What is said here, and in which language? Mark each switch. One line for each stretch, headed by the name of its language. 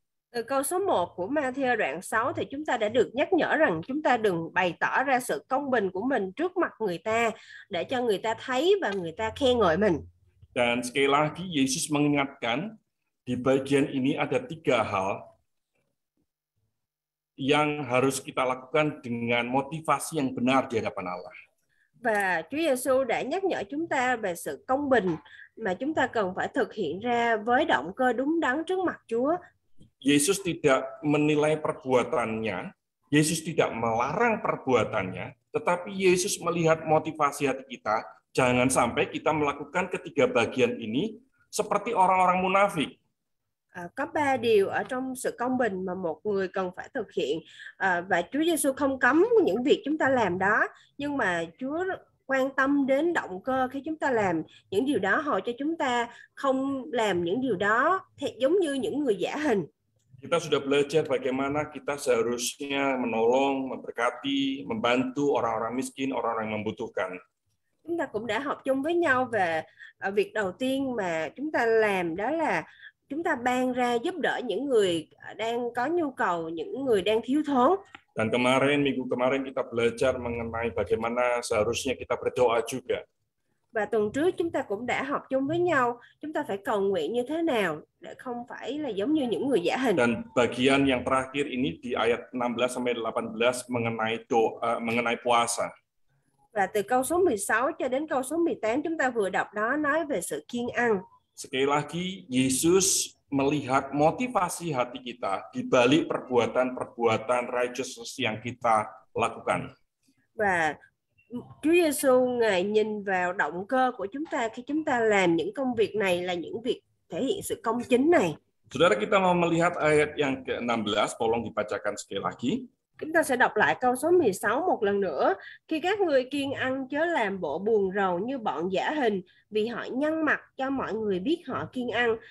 Vietnamese: Từ câu số 1 của Matthew đoạn 6 thì chúng ta đã được nhắc nhở rằng chúng ta đừng bày tỏ ra sự công bình của mình trước mặt người ta để cho người ta thấy và người ta khen ngợi mình.
Indonesian: Dan sekali lagi Yesus mengingatkan di bagian ini ada 3 hal yang harus kita lakukan dengan motivasi yang benar di hadapan Allah.
Vietnamese: Và Chúa Giêsu đã nhắc nhở chúng ta về sự công bình mà chúng ta cần phải thực hiện ra với động cơ đúng đắn trước mặt Chúa.
Indonesian: Yesus tidak menilai perbuatannya, Yesus tidak melarang perbuatannya, tetapi Yesus melihat motivasi hati kita, jangan sampai kita melakukan ketiga bagian ini seperti orang-orang munafik.
Vietnamese: Có ba điều ở trong sự công bình mà một người cần phải thực hiện, và Chúa Giêsu không cấm những việc chúng ta làm đó, nhưng mà Chúa quan tâm đến động cơ khi chúng ta làm những điều đó, hầu cho chúng ta không làm những điều đó giống như những người giả hình.
Indonesian: Kita sudah belajar bagaimana kita seharusnya menolong, memberkati, membantu orang-orang miskin, orang-orang yang membutuhkan.
Vietnamese: Chúng ta cũng đã học chung với nhau về việc đầu tiên mà chúng ta làm, đó là chúng ta ban ra giúp đỡ những người đang có nhu cầu, những người đang thiếu thốn.
Indonesian: Dan kemarin, minggu kemarin kita belajar mengenai bagaimana seharusnya kita berdoa juga.
Vietnamese: Và tuần trước chúng ta cũng đã học chung với nhau, chúng ta phải cầu nguyện như thế nào để không phải là giống như những người giả hình.
Indonesian: Dan bagian yang terakhir ini di ayat 16 sampai 18 mengenai doa, mengenai puasa.
Vietnamese: Và từ câu số 16 cho đến câu số 18 chúng ta vừa đọc đó nói về sự kiêng ăn.
Indonesian: Sekali lagi Yesus melihat motivasi hati kita di balik perbuatan-perbuatan righteousness yang kita lakukan.
Vietnamese: Và Chúa Giêsu Ngài nhìn vào động cơ của chúng ta khi chúng ta làm những công việc này, là những việc thể hiện sự công chính này.
Indonesian: Saudara, kita mau melihat ayat yang ke-16, tolong dibacakan sekali lagi.
Vietnamese: Chúng ta sẽ đọc lại câu số 16 một lần nữa. Khi các ngươi kiêng ăn chớ làm bộ buồn rầu như bọn giả hình, vì họ nhăn mặt cho mọi người biết họ kiêng ăn.